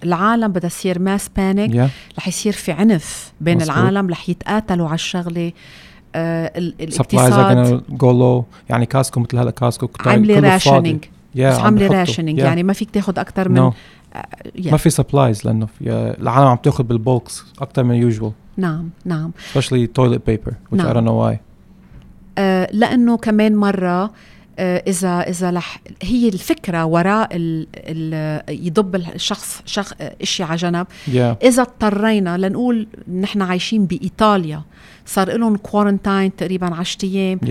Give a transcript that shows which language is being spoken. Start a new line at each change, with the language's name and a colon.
Arabic: العالم بدأ يصير ماس بانيك. رح يصير في عنف بين العالم رح يتقاتلوا على الشغلة. الاقتصاد.
English: Supplies are gonna go low.
Arabic: يعني كاسكو مثل هلا كاسكو. عملي راشنينج. Yeah, عملي راشنينج. يعني ما فيك تاخد أكتر من ما في supplies لأنه في العالم عم تأخذ بالبوكس أكتر من usual. نعم نعم.
English: Especially toilet paper which نعم. I don't know why.
Arabic: لأنه كمان مرة إذا لح هي الفكرة وراء ال يضب الشخص إشي على جنب
English: yeah.
Arabic: إذا اضطرينا لنقول نحن عايشين بإيطاليا صار لهم كوارنتاين تقريبا 10 أيام